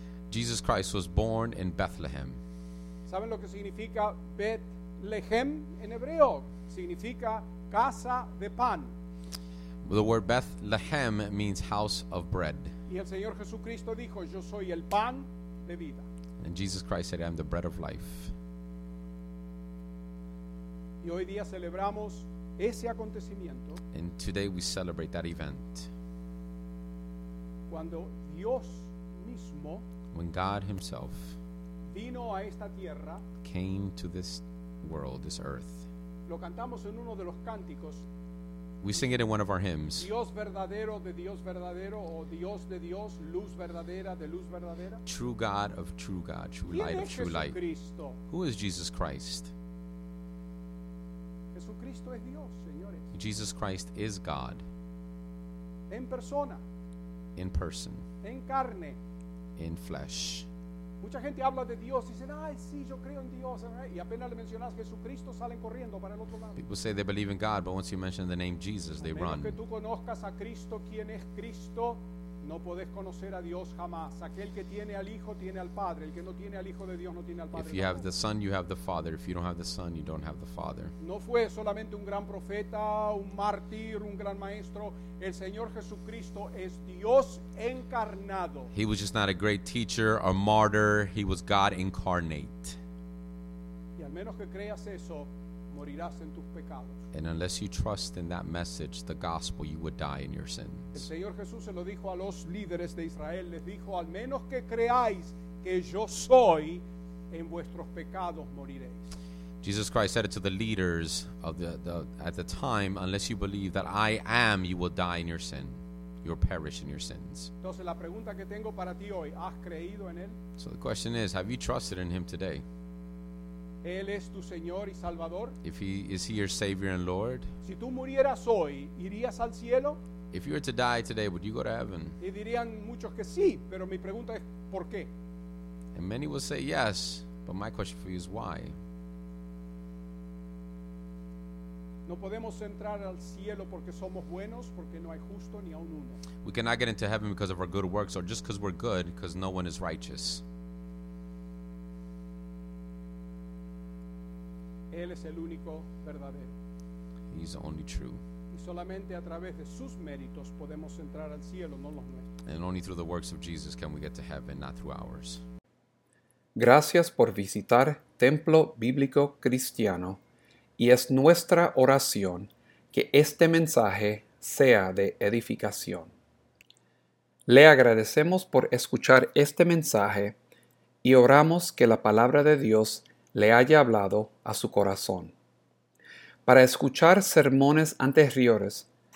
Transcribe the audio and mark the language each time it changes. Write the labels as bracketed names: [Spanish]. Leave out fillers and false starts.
[English] Jesus Christ was born in Bethlehem. [Spanish] ¿Saben lo que significa Bethlehem? Lehem en hebreo significa casa de pan. [English] The word Bethlehem means house of bread. [Spanish] Y el Señor Jesucristo dijo, yo soy el pan de vida. [English] And Jesus Christ said, I am the bread of life. [Spanish] Y hoy día celebramos ese acontecimiento. [English] And today we celebrate that event. [Spanish] Cuando Dios mismo, [English] when God himself, [Spanish] vino a esta tierra, [English] came to this world, this earth. [Spanish] Lo cantamos en uno de los cánticos. [English] We sing it in one of our hymns. [Spanish] Dios verdadero de Dios verdadero, o Dios de Dios, luz verdadera de luz verdadera. [English] True God of true God, true light of true light. Who is Jesus Christ? [Spanish] Jesucristo es Dios, señores. [English] Jesus Christ is God. [Spanish] En persona. [English] In person. [Spanish] En carne. [English] In flesh. [Spanish] Mucha gente habla de Dios y dicen, ay, sí, yo creo en Dios. Y apenas le mencionas Jesucristo, salen corriendo para el otro lado. [English] People say they believe in God, but once you mention the name Jesus, they run. [Spanish] A menos que tú conozcas a Cristo, quien es Cristo, no podés conocer a Dios jamás. Aquel que tiene al Hijo, tiene al Padre. El que no tiene al Hijo de Dios, no tiene al Padre. [English] If you have the Son, you have the Father. If you don't have the Son, you don't have the Father. [Spanish] No fue solamente un gran profeta, un mártir, un gran maestro. El Señor Jesucristo es Dios encarnado. [English] He was just not a great teacher, a martyr. He was God incarnate. [Spanish] Y al menos que creas eso, morirás en tus pecados. [English] And unless you trust in that message, the gospel, you would die in your sins. [Spanish] El Señor Jesús se lo dijo a los líderes de Israel. Les dijo, al menos que creáis que yo soy, en vuestros pecados moriréis. [English] Jesus Christ said it to the leaders of at the time, unless you believe that I am, you will die in your sin. You'll perish in your sins. [Spanish] Entonces la pregunta que tengo para ti hoy, ¿has creído en él? [English] So the question is, have you trusted in him today? [Spanish] Él es tu Señor y Salvador. [English] If he is he your Savior and Lord. [Spanish] Si tú murieras hoy, ¿irías al cielo? [English] If you were to die today, would you go to heaven? [Spanish] Y dirían muchos que sí, pero mi pregunta es ¿por qué? [English] And many will say yes, but my question for you is why? [Spanish] No podemos entrar al cielo porque somos buenos, porque no hay justo ni aun uno. [English] We cannot get into heaven because of our good works, or just because we're good, because no one is righteous. [Spanish] Él es el único verdadero. [English] He's the only true. [Spanish] Y solamente a través de sus méritos podemos entrar al cielo, no los nuestros. [English] And only through the works of Jesus can we get to heaven, not through ours. [Spanish] Gracias por visitar Templo Bíblico Cristiano. Y es nuestra oración que este mensaje sea de edificación. Le agradecemos por escuchar este mensaje y oramos que la palabra de Dios le haya hablado a su corazón. Para escuchar sermones anteriores,